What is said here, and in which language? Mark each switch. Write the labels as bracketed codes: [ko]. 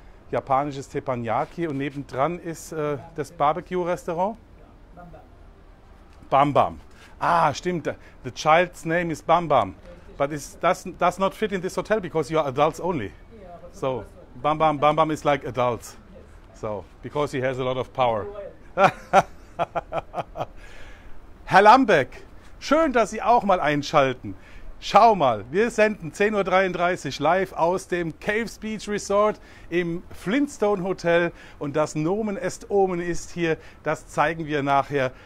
[de] Japanisches Teppanyaki. Und nebendran ist das Barbecue Restaurant. Bam Bam. Ah, stimmt. [en] The child's name is Bam Bam. But it does not fit in this hotel because you are adults only. So, Bam Bam, Bam Bam is like adults. So, because he has a lot of power. [de] Herr Lambeck, schön, dass Sie auch mal einschalten. Schau mal, wir senden 10.33 Uhr live aus dem Caves Beach Resort im Flintstone Hotel. Und das Nomen est Omen ist hier, das zeigen wir nachher.